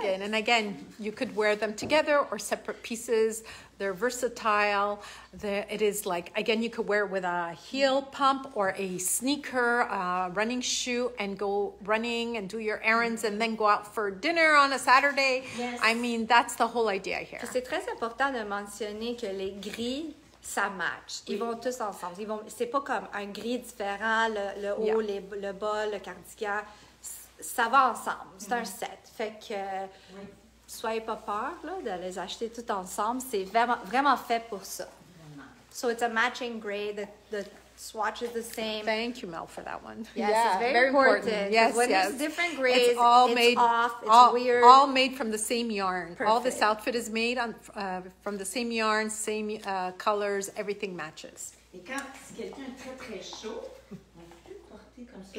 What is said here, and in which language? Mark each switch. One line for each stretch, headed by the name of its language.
English: Ouais. And again, you could wear them together or separate pieces. They're versatile. It is like, again, you could wear it with a heel pump or a sneaker, a running shoe, and go running and do your errands and then go out for dinner on a Saturday. Yes. I mean, that's the whole idea here.
French: C'est très important de mentionner que les gris, ça match. Ils vont tous ensemble. C'est pas comme un gris différent, le haut, yeah. le bas, le cardigan. Ça va ensemble. C'est un set. Fait que... Oui. Soyez pas peur là, de les acheter tout ensemble. C'est vraiment fait pour ça.
English: So it's a matching gray. The swatch is the same. Thank you, Mel, for that one. Yes, yeah, it's very important. Yes, when yes. there's different grays, it's weird. All made from the same yarn. Perfect. All this outfit is made on from the same yarn, same colors, everything matches.
French: Et quand quelqu'un est très, très chaud, on peut porter comme ça.